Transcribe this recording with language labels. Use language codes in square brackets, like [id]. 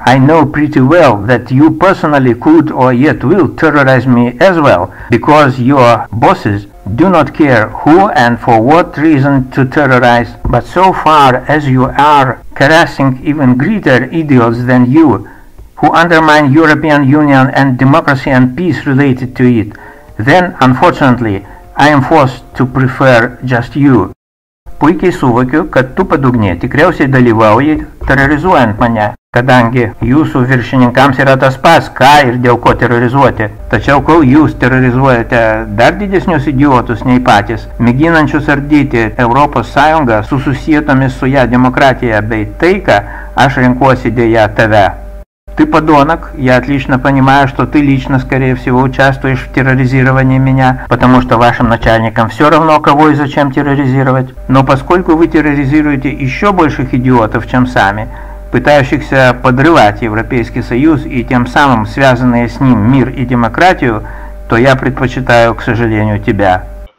[en] I know pretty well that you personally could or yet will terrorize me as well, because your bosses do not care who and for what reason to terrorize. But so far as you are caressing even greater idiots than you, who undermine European Union and democracy and peace related to it, then, unfortunately, I am forced to prefer just you. [lt] Puikiai suvokiu, kad tu padugnė tikriausiai dalyvauji terrorizuojant mane, kadangi jūsų viršininkams yra tas pats, ką ir dėl ko terrorizuoti. Tačiau kol jūs terrorizuojate dar didesnius idiotus nei patys, mėginančius ardyti Europos Sąjungą su susietomis su ją demokratija bei taika, aš renkuosi dėja tave. [ru] Ты подонок, я отлично понимаю, что ты лично, скорее всего, участвуешь в терроризировании меня, потому что вашим начальникам все равно, кого и зачем терроризировать. Но поскольку вы терроризируете еще больших идиотов, чем сами, пытающихся подрывать Европейский Союз и тем самым связанные с ним мир и демократию, то я предпочитаю, к сожалению, тебя.